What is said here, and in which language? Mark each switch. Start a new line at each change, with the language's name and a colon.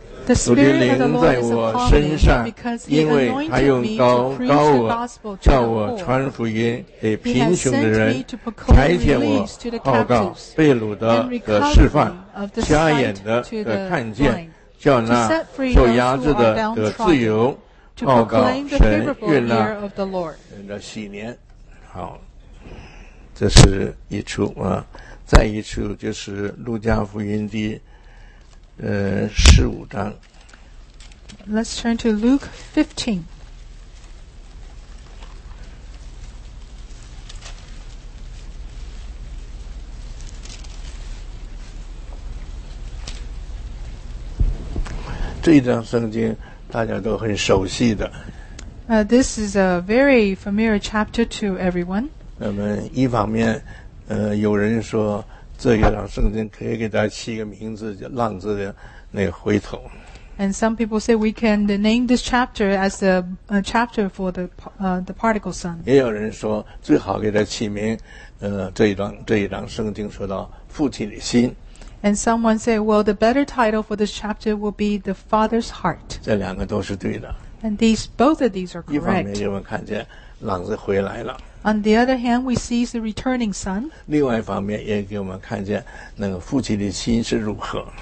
English: The Spirit of the Lord is upon me because He anointed me to preach the gospel to the poor. He has sent me to proclaim release to the captives and recovery of the sight to the blind, to set free those who are downtrodden, to proclaim the favorable year of the Lord.
Chinese: 好，这是一处啊，再一处就是《路加福音》第十五章。
English: Let's turn to Luke 15.
Chinese: 这一章圣经大家都很熟悉的。
English: This is a very familiar chapter to everyone.
Chinese: 我们一方面，有人说这一章圣经可以给大家起一个名字，叫“浪子的那个回头”。
English: And some people say we can name this chapter as a chapter for the prodigal son.
Chinese: 也有人说最好给他起名，这一章圣经说到父亲的心。
English: And someone say, well, the better title for this chapter will be the father's heart.
Chinese: 这两个都是对的。
English: And these, both of these are correct.
Chinese: 一方面，人们看见浪子回来了。
English: On the other hand, we see the returning son.
Chinese: 另外一方面，也给我们看见那个父亲的心是如何。